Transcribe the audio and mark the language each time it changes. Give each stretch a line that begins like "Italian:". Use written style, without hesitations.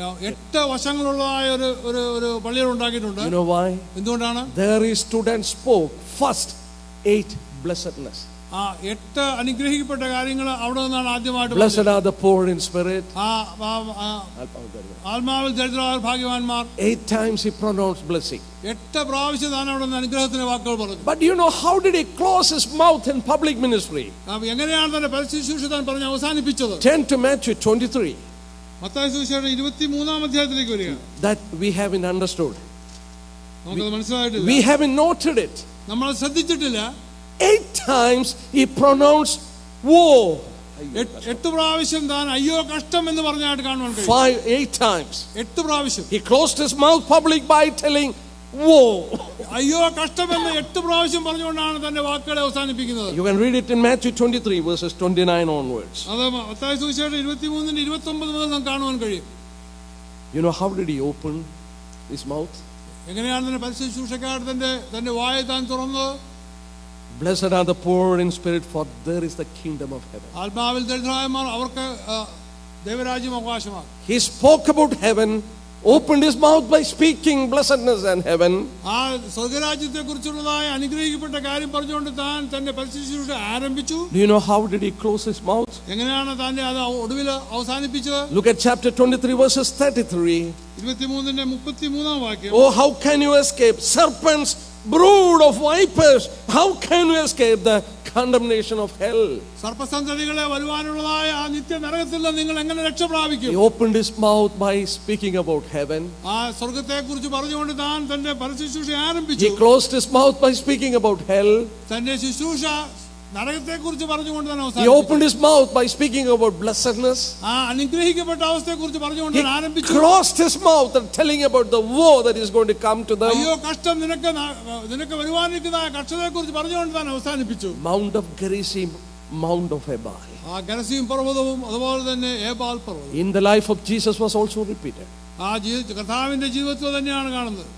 Malayalam: എട്ട് വശങ്ങളുള്ളതായ ഒരു പള്ളി ഉണ്ടാക്കിയിട്ടുണ്ട്.
English: You know why?
Malayalam: എന്തുകൊണ്ടാണ്?
English: There he stood and spoke first 8 blessedness.
Malayalam: എട്ട് അനുഗ്രഹിക്കപ്പെട്ട കാര്യങ്ങൾ അവിടെ നിന്നാണ് ആദ്യമായിട്ട്.
English: Blessed are the poor in spirit.
Malayalam: ആത്മാവിൽ ദരിദ്രരായ ഭാഗ്യവാന്മാർ.
English: 8 times he pronounced blessing.
Malayalam: എട്ട് പ്രാവശ്യം താൻ അവിടെ നിന്ന് അനുഗ്രഹത്തിന്റെ വാക്കുകൾ പറഞ്ഞു.
English: But you know how did he close his mouth in public ministry?
Malayalam: എങ്ങനെയാണ് തന്റെ പരിശുശ്രൂഷ താൻ പറഞ്ഞു അവസാനിപ്പിച്ചത്?
English: Turn to Matthew 23.
Malayalam: മത്തായി സുവിശേഷം 23-ാം അധ്യായത്തിലേക്ക് വരിക.
English: That we have in understood.
Malayalam: നമുക്ക് മനസ്സിലായിട്ടില്ല.
English: We have in noted it.
Malayalam: നമ്മൾ ശ്രദ്ധിച്ചിട്ടില്ല.
English: 8 times he pronounced woe.
Malayalam: 8 പ്രാവശ്യം താൻ അയ്യോ കഷ്ടം എന്ന് പറഞ്ഞതായിട്ട് കാണുവാൻ കഴിയും.
English: 8 times.
Malayalam: 8 പ്രാവശ്യം.
English: He closed his mouth public by telling woe.
Malayalam: അയ്യോ കഷ്ടം എന്ന് 8 പ്രാവശ്യം പറഞ്ഞുകൊണ്ടാണ് തന്റെ വാക്കുകളെ അവസാനിപ്പിക്കുന്നത്.
English: You can read it in Matthew 23 verses 29 onwards.
Malayalam: Mathai സുവിശേഷം 23-ന്റെ 29 മുതൽ നാം കാണുവാൻ കഴിയും.
English: You know how did he open his mouth?
Malayalam: എങ്ങനെയാണ് തന്റെ പരിശുശ്രൂഷക്കാരൻ തന്റെ വായ താൻ തുറന്നത്?
English: Blessed are the poor in spirit, for there is the kingdom of heaven.
Malayalam: ആത്മാവിൽ ദരിദ്രരായവർ അവർക്ക് ദൈവരാജ്യം അവകാശമാണ്.
English: He spoke about heaven, opened his mouth by speaking blessedness and heaven.
Malayalam: ആ സ്വർഗരാജ്യത്തെ കുറിച്ചുള്ളതായ അനുഗ്രഹിക്കപ്പെട്ട കാര്യം പറഞ്ഞുകൊണ്ട് താൻ തന്റെ പരിശുശ്രൂഷ ആരംഭിച്ചു.
English: Do you know how did he close his mouth?
Malayalam: എങ്ങനെയാണ് താൻ അത് ഒടുവിൽ അവസാനിപ്പിച്ചത്?
English: Look at chapter 23 verses 33.
Malayalam: 23-ന്റെ 33-ാം വാക്യം.
English: Oh, how can you escape serpents, brood of vipers, how can you escape the condemnation of hell.
Malayalam: സർപ്പസന്തതികളെ വരുവാനുള്ളതായ ആ നിത്യ നരകത്തിൽ നിന്ന് നിങ്ങൾ എങ്ങനെ രക്ഷ പ്രാപിക്കും?
English: He opened his mouth by speaking about heaven.
Malayalam: ആ സ്വർഗ്ഗത്തെക്കുറിച്ച് പറഞ്ഞുകൊണ്ട് താൻ തന്റെ പരിശുശ്രൂഷ ആരംഭിച്ചു.
English: He closed his mouth by speaking about hell.
Malayalam: തന്റെ ശുശ്രൂഷ നരകത്തെക്കുറിച്ച് പറഞ്ഞുകൊണ്ട് തന്നെ അവസാനം.
English: He opened his mouth by speaking about blessedness.
Malayalam: ആ അനുഗ്രഹിക്കപ്പെട്ട അവസ്ഥയെക്കുറിച്ച് പറഞ്ഞുകൊണ്ട് തന്നെ ആരംഭിച്ചു.
English: He closed his mouth and telling about the woe that is going to come to them.
Malayalam: അയ്യോ കഷ്ടം നിനക്ക് വരുവാനിരിക്കുന്ന ആ കഷ്ടതയെക്കുറിച്ച് പറഞ്ഞുകൊണ്ട് തന്നെ അവസാനിപ്പിച്ചു.
English: Mount of Gerizim, Mount of Ebal.
Malayalam: ആ ഗെരസീം പർവ്വതവും അതുപോലെ തന്നെ Ebal പർവ്വതവും.
English: In the life of Jesus was also repeated.
Malayalam: ആ ജീവിതം കർത്താവിന്റെ ജീവിതത്തിൽ തന്നെയാണ് കാണുന്നത്.